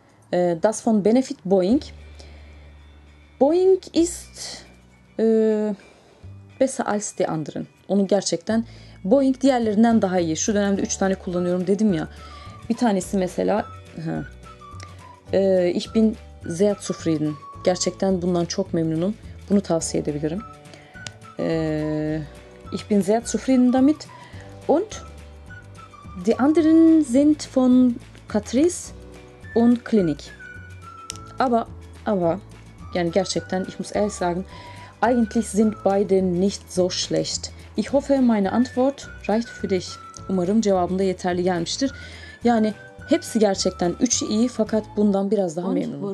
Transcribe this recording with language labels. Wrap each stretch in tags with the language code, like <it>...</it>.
<de>Das von Benefit Boeing. Boeing ist besser als die anderen.</de> <tr>Onu gerçekten Boeing diğerlerinden daha iyi. Şu dönemde 3 tane kullanıyorum dedim ya. Bir tanesi mesela</tr> <de>ich bin sehr zufrieden.</de> <tr>Gerçekten bundan çok memnunum. Bunu tavsiye edebilirim.</tr> <de>Ich bin sehr zufrieden damit und Die anderen sind von Catrice und Clinique. Aber,</de> <tr>yani gerçekten,</tr> <de>ich muss ehrlich sagen, eigentlich sind beide nicht so schlecht. Ich hoffe, meine Antwort reicht für dich.</de> <tr>Umarım cevabın da yeterli gelmiştir. Yani hepsi gerçekten üçü iyi fakat bundan biraz daha memnunum.</tr>